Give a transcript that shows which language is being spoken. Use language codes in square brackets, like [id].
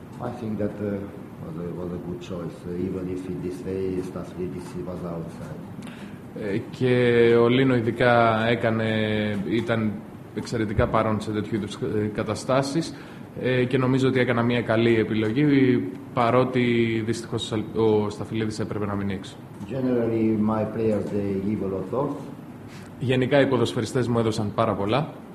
[en] I think that was a good choice, even if in this way Stavridis was outside. [el] Και ο Λίνο ειδικά ήταν εξαιρετικά παρόν σε τέτοιου είδους καταστάσεις. Και νομίζω ότι έκανα μια καλή επιλογή παρότι δυστυχώς ο Σταφυλίδης έπρεπε να μείνει έξω. [en] Generally, my players, they give a lot of. [el] Γενικά οι ποδοσφαιριστές μου έδωσαν πάρα πολλά.